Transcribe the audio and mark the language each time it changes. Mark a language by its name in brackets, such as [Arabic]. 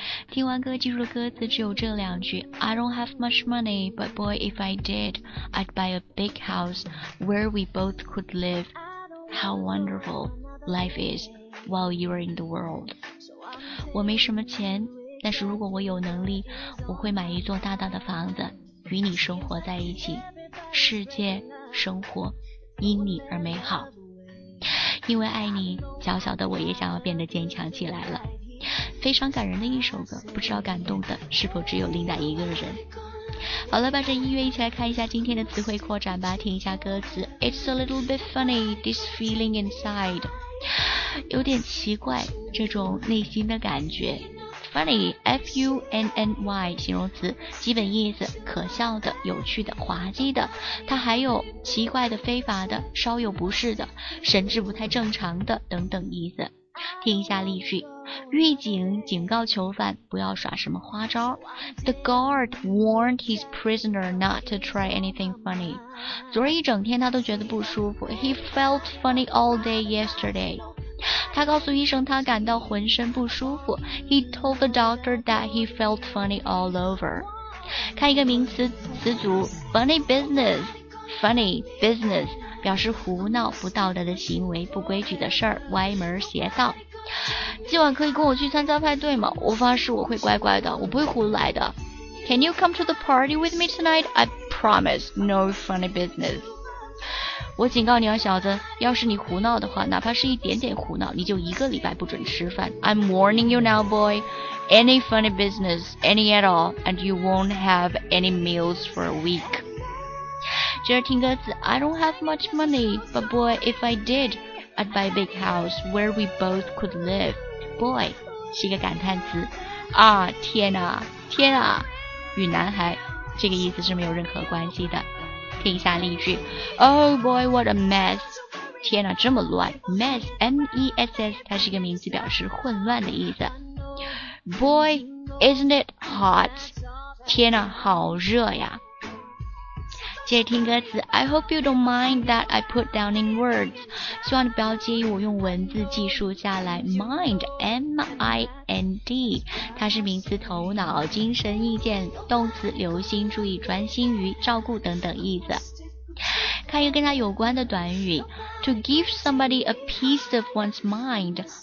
[Chinese] 听完歌记住的歌词只有这两句， [English] I don't have much money, but boy if I did, I'd buy a big house where we both could live. How wonderful life is while you're in the world. [Chinese] 我没什么钱，但是如果我有能力，我会买一座大大的房子与你生活在一起，世界生活因你而美好。因为爱你，小小的我也想要变得坚强起来了。非常感人的一首歌，不知道感动的是否只有琳达一个人。好了，伴着音乐一起来看一下今天的词汇扩展吧，听一下歌词。 [English] It's a little bit funny, this feeling inside. [Chinese] 有点奇怪，这种内心的感觉。Funny, F-U-N-N-Y, 形容词，基本意思，可笑的、有趣的、滑稽的。它还有奇怪的、非法的、稍有不适的、神志不太正常的等等意思。听一下例句，狱警警告囚犯不要耍什么花招。 [English] The guard warned his prisoner not to try anything funny. [Chinese] 昨儿一整天他都觉得不舒服。 [English] He felt funny all day yesterday. [Chinese] 他告诉医生他感到浑身不舒服。 [English] He told the doctor that he felt funny all over. [Chinese] 看一个名词词组 funny business. Funny business 表示胡闹、不道德的行为、不规矩的事儿、歪门邪道。今晚可以跟我去参加派对吗？我发誓我会乖乖的，我不会胡来的。 [English] Can you come to the party with me tonight? I promise no funny business. [Chinese] 我警告你啊，小子，要是你胡闹的话，哪怕是一点点胡闹，你就一个礼拜不准吃饭。 [English] I'm warning you now, boy. Any funny business, any at all, and you won't have any meals for a week. [Chinese] 接着听歌词， [English] I don't have much money, but boy, if I did, I'd buy a big house where we both could live. [Chinese] Boy, 是一个感叹词。啊，天啊，天啊，与男孩，这个意思是没有任何关系的。听一下例句 [English] Oh boy, what a mess. [Chinese] 天哪，这么乱。 Mess, M-E-S-S, 它是一个名词，表示混乱的意思。 [English] Boy, isn't it hot? [Chinese] 天哪，好热呀。接着听歌词 [English] I hope you don't mind that I put down in words. [Chinese] 希望你不要介意我用文字记述下来。 Mind, M-I-N-D, 它是名词，头脑、精神、意见，动词，留心、注意、专心于、照顾等等意思。看一个跟它有关的短语 [English] To give somebody a piece of one's mind.